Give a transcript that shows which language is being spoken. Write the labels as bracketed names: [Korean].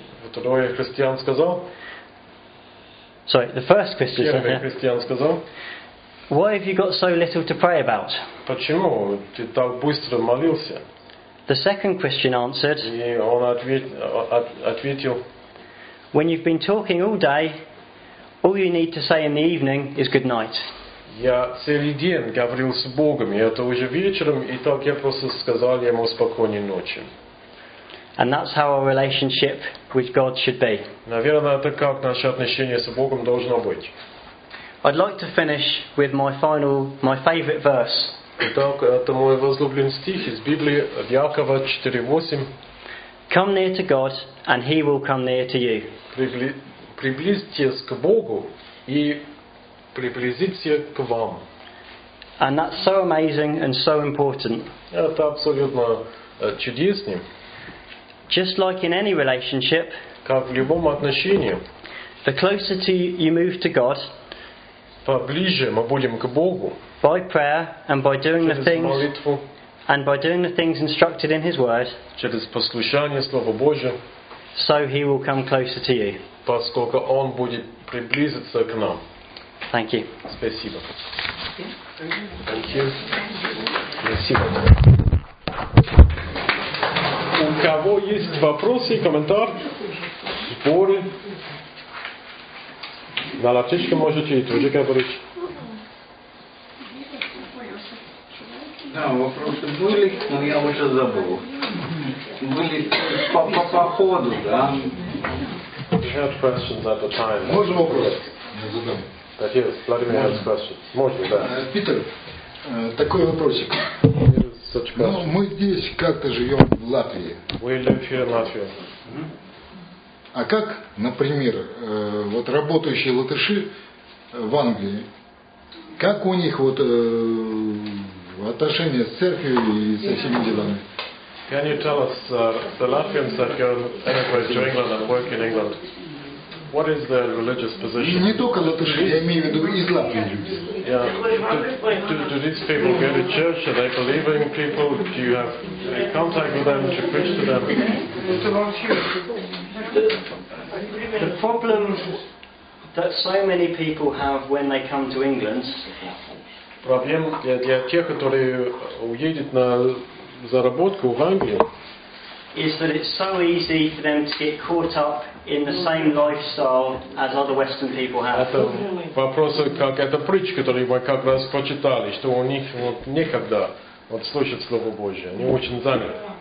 [Russian] второй христиан сказал, [English] sorry, the first Christian [Russian] первый [English] said, [Russian] христиан сказал, [English] why have you got so little to pray about? [Russian] Почему ты так быстро молился? [English] The second Christian answered, [Russian] и он ответил, [English] when you've been talking all day, all you need to say in the evening is good night. [Russian] Я целый день говорил с Богом, и это уже вечером, и так я просто сказал ему спокойной ночи. [English] And that's how our relationship with God should be. [Russian] Наверное, это как наше отношение с Богом должно быть. [English] I'd like to finish with my favorite verse. [Russian] Итак, это мой возлюбленный стих из Библии, Якова 4:8. [English] Come near to God, and He will come near to you. [Russian] Приблизьтесь к Богу, и приблизится к вам. [English] And that's so amazing and so important. [Russian] Это абсолютно чудесно. [English] Just like in any relationship, [Russian] как в любом отношении, [English] the closer you move to God, [Russian] поближе мы будем к Богу, [English] by prayer and by doing the things, [Russian] через молитву, [English] and by doing the things instructed in His Word, [Russian] через послушание Слова Божия, [English] so He will come closer to you. [Russian] Поскольку Он будет приблизиться к нам. [English] Thank you. [Russian] Спасибо. [English] Thank you. [Russian] Спасибо. У кого есть вопросы, комментарии, споры? На латышке можете и тут же говорить. Да, вопросы были, но я уже забыл. Были по ходу, да? [English] We had questions at the time. [Russian] Можем вопрос? [English] That is, Vladimir has questions. [Russian] Можно, да. Питер, такой вопросик. Ну, мы здесь как-то живем в Латвии. [English] We live here in Latvia. [Russian] А как, например, вот работающие латыши в Англии, как у них вот отношения с церковью и со всеми делами? [English] Can you tell us the Latvians that go anywhere to England and work in England? What is their religious position? [Russian] Не только латыши, я имею в виду из Латвии. [English] Yeah. Do these people go to church? Are they believing people? Do you have contact with them? Do you preach to them? The problem that so many people have when they come to England. [Russian] Проблема для тех, которые уедут на заработку в Англию. [English] Is that it's so easy for them to get caught up in the same lifestyle as other Western people have. [Russian] Это вопрос, как эта притча, которую мы как раз прочитали, что у них вот никогда вот слушать Слово Божие, они очень заняты.